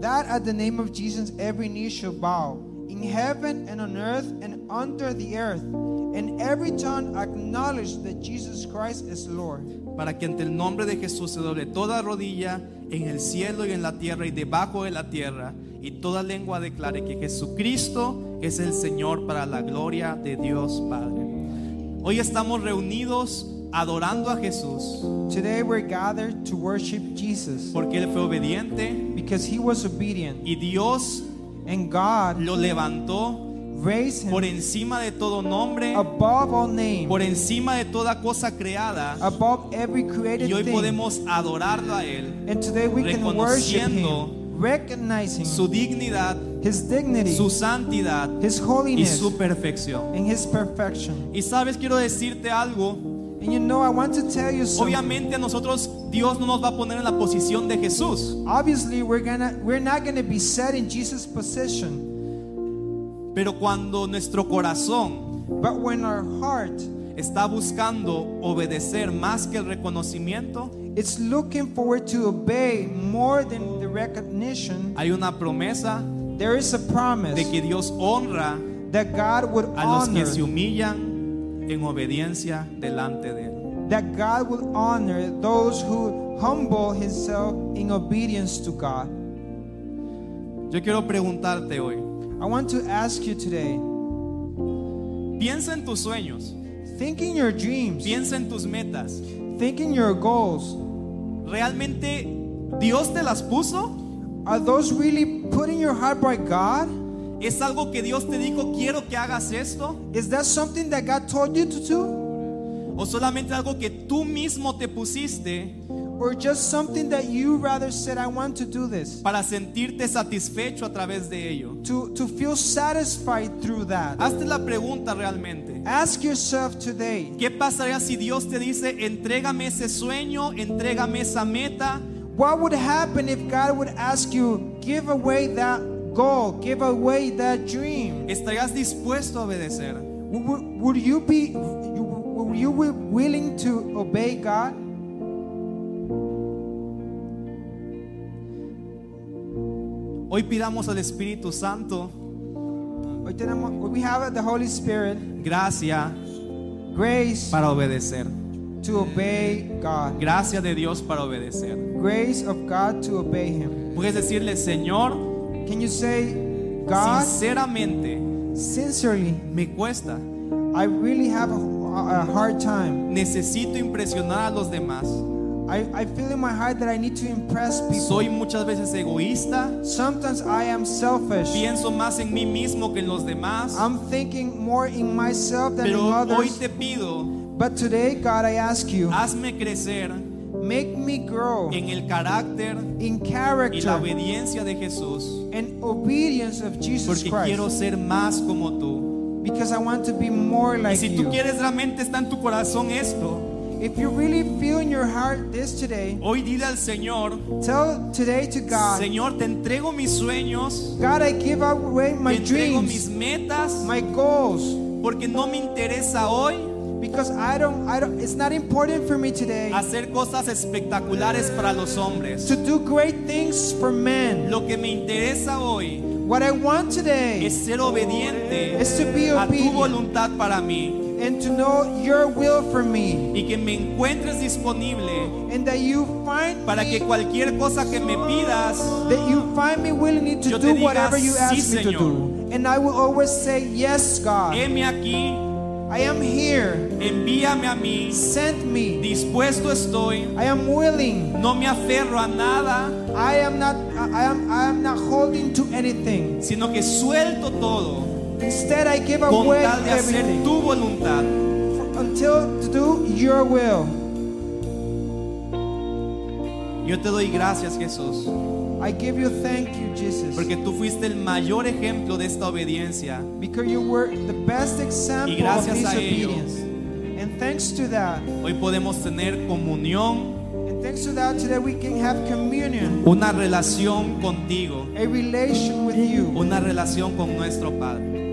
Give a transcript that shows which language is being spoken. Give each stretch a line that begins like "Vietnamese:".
English: That at the name of Jesus every knee shall bow, in heaven and on earth and under the earth, and every tongue acknowledge that Jesus Christ is Lord.
Spanish: Para que ante el nombre de Jesús se doble toda rodilla en el cielo y en la tierra y debajo de la tierra, y toda lengua declare que Jesucristo es el Señor, para la gloria de Dios Padre. Hoy estamos reunidos adorando a Jesús.
English: Today we're gathered to worship Jesus.
Spanish: Porque él fue obediente.
English: Because he was obedient.
Spanish: Y Dios,
English: and God,
Spanish: lo levantó.
English: Raise him
Spanish: por encima de todo nombre,
English: above all name,
Spanish: por encima de toda cosa creada,
English: above every created thing,
Spanish: y hoy
English: thing,
Spanish: podemos adorarlo a él,
English: and today we
Spanish: reconociendo
English: can worship him, recognizing
Spanish: su dignidad,
English: his dignity,
Spanish: su santidad,
English: his holiness,
Spanish: y su perfección,
English: and his perfection.
Spanish: Y sabes, quiero decirte algo,
English: and you know, I want to tell you something.
Spanish: Obviamente nosotros, Dios no nos va a poner en la posición de Jesús,
English: obviously we're not gonna be set in Jesus' position.
Spanish: Pero cuando nuestro corazón,
English: but when our heart,
Spanish: está buscando obedecer más que el reconocimiento,
English: it's looking forward to obey more than the recognition,
Spanish: hay una promesa,
English: there is a promise,
Spanish: de que Dios honra,
English: that God would
Spanish: a los que se humillan en obediencia delante de él,
English: that God would honor those who humble himself in obedience to God.
Spanish: Yo quiero preguntarte hoy,
English: I want to ask you today.
Spanish: Piensa en tus sueños.
English: Think in your dreams.
Spanish: Piensa en tus metas.
English: Think in your goals.
Spanish: ¿Realmente Dios te las puso?
English: Are those really put in your heart by God?
Spanish: ¿Es algo que Dios te dijo, quiero que hagas esto?
English: Is that something that God told you to do?
Spanish: ¿O solamente algo que tú mismo te pusiste?
English: Or just something that you rather said, I want to do this.
Spanish: Para sentirte satisfecho a través de ello.
English: To feel satisfied through that.
Spanish: Hazte la pregunta realmente.
English: Ask yourself today.
Spanish: ¿Qué pasaría si Dios te dice, entrégame ese sueño, entrégame esa meta?
English: What would happen if God would ask you, give away that goal, give away that dream?
Spanish: ¿Estarías dispuesto a obedecer?
English: Would you be willing to obey God?
Spanish: Hoy pidamos al Espíritu Santo. Hoy tenemos,
English: we have the Holy Spirit.
Spanish: Gracias.
English: grace
Spanish: para obedecer.
English: To obey God.
Spanish: Gracia de Dios para obedecer.
English: Grace of God to obey him.
Spanish: Puedes decirle, Señor,
English: can you say, God,
Spanish: sinceramente,
English: sincerely,
Spanish: me cuesta.
English: I really have a hard time.
Spanish: Necesito impresionar a los demás.
English: I feel in my heart that I need to impress people.
Spanish: Soy muchas veces egoísta.
English: Sometimes I am selfish.
Spanish: Pienso más en mí mismo que en los demás.
English: I'm thinking more in myself than
Spanish: Pero
English: in others.
Spanish: Hoy te pido,
English: but today, God, I ask you,
Spanish: hazme crecer.
English: Make me grow
Spanish: en el carácter,
English: in character,
Spanish: y la obediencia de Jesús,
English: and obedience of Jesus
Spanish: porque
English: Christ.
Spanish: Quiero ser más como tú.
English: Because I want to be more like
Spanish: y si
English: you.
Spanish: Tú quieres, realmente está en tu corazón esto.
English: If you really feel in your heart this today,
Spanish: hoy dile al Señor,
English: tell today to God,
Spanish: Señor, te entrego mis sueños,
English: God, I give away my
Spanish: te entrego
English: dreams,
Spanish: mis metas,
English: my goals,
Spanish: porque no me interesa hoy,
English: because I don't it's not important for me today,
Spanish: hacer cosas espectaculares para los hombres,
English: to do great things for men.
Spanish: Lo que me interesa hoy,
English: what I want today,
Spanish: es ser obediente,
English: is to be obedient
Spanish: a tu voluntad para mí,
English: and to know your will for me,
Spanish: y que me encuentres disponible,
English: and that you find
Spanish: para que cualquier cosa que me pidas,
English: that you find me willing to
Spanish: yo
English: do
Spanish: te diga,
English: whatever you ask
Spanish: sí,
English: me
Spanish: Señor.
English: To do, and I will always say yes, God.
Spanish: Heme aquí.
English: I am here.
Spanish: Envíame a mí.
English: Send me.
Spanish: Dispuesto estoy.
English: I am willing.
Spanish: No me aferro a nada.
English: I am not holding to anything.
Spanish: Sino que suelto todo.
English: Instead, I give away
Spanish: con tal de hacer
English: everything.
Spanish: Tu voluntad.
English: Until to do your will.
Spanish: Yo te doy gracias, Jesús.
English: I give you thank you, Jesus.
Spanish: Porque tú fuiste el mayor ejemplo de esta obediencia.
English: Because you were the best example
Spanish: y gracias
English: of this
Spanish: a ello,
English: obedience. And thanks to that,
Spanish: hoy podemos tener comunión.
English: And thanks to that, today we can have communion.
Spanish: Una relación contigo.
English: A relation with you.
Spanish: Una relación con nuestro Padre.